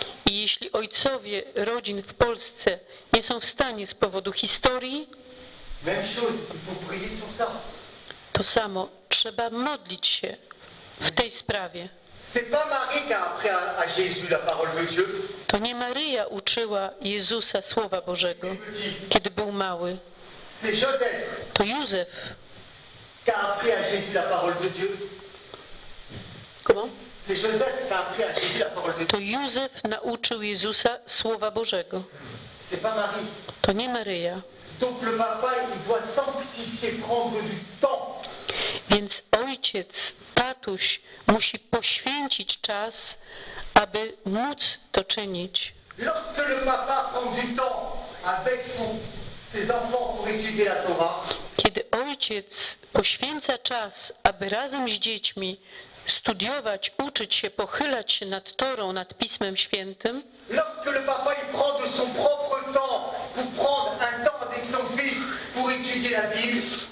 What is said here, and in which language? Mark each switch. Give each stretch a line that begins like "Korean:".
Polish: I jeśli ojcowie rodzin w Polsce nie są w stanie z powodu historii,
French: Même chose, il faut prier sur ça.
Polish: To samo, trzeba modlić się w tej sprawie.
French: C'est pas Marie qui a appris à Jésus la parole de Dieu.
Polish: To nie Maria uczyła Jezusa słowa Bożego, kiedy był mały.
French: C'est Joseph.
Polish: To Józef.
French: Qui a appris à Jésus la parole de Dieu. Comment? C'est Joseph qui a appris à Jésus la parole de Dieu.
Polish: To Józef nauczył Jezusa słowa Bożego.
French: C'est pas Marie.
Polish: To nie Maria.
French: Donc le papa il doit sanctifier, prendre du temps.
Polish: Więc ojciec, tatuś musi poświęcić czas, aby móc to czynić.
French: Lorsque le papa prend du temps avec ses enfants pour étudier la Torah.
Polish: Kiedy ojciec poświęca czas, aby razem z dziećmi studiować, uczyć się, pochylać się nad Torą, nad Pismem Świętym.
French: Lorsque le papa il prend de son propre temps pour prendre un temps avec son fils pour étudier la Bible.